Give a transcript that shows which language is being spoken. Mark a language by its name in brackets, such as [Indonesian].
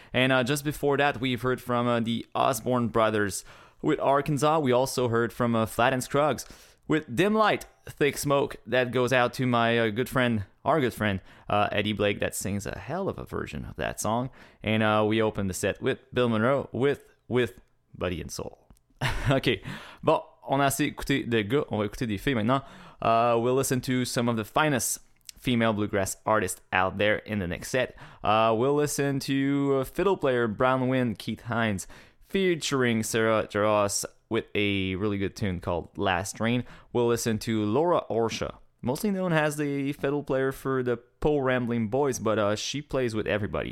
[English] And just before that, we've heard from the Osborne Brothers with Arkansas. We also heard from Flat and Scruggs with Dim Light, Thick Smoke. That goes out to my good friend, Eddie Blake, that sings a hell of a version of that song. And we opened the set with Bill Monroe with Body and Soul. [French] Okay, bon, on a assez écouté des gars, on va écouter des filles maintenant. [English] We'll listen to some of the finest female bluegrass artists out there in the next set. We'll listen to fiddle player Brownwin Keith Hines featuring Sarah Jaros with a really good tune called Last Rain. We'll listen to Laura Orsha, mostly known as the fiddle player for the Poe Rambling Boys, but she plays with everybody.